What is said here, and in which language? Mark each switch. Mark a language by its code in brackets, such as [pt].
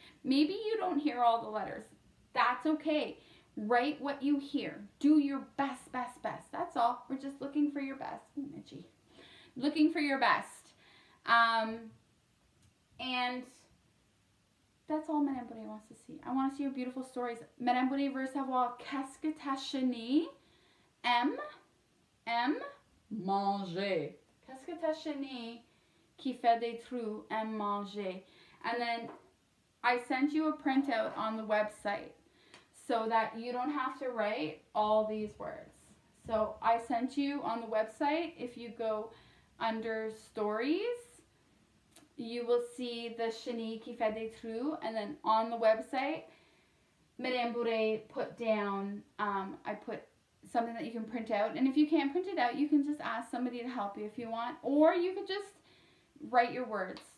[en] Maybe you don't hear all the letters. That's okay. Write what you hear. Do your best, best, best. That's all. We're just looking for your best. Ooh, Mitchie. Looking for your best. And that's all Madame Bourré wants to see. I want to see your beautiful stories. [fr] Madame Bourré veut savoir qu'est-ce que ta chenille aime manger. Qu'est-ce que ta chenille qui fait des trous aime manger. [en] And then I sent you a printout on the website, so that you don't have to write all these words. So I sent you on the website, if you go under stories, you will see the chenille qui fait des trous, and then on the website, Madame Bourré put down, I put something that you can print out, and if you can't print it out, you can just ask somebody to help you if you want, or you could just write your words.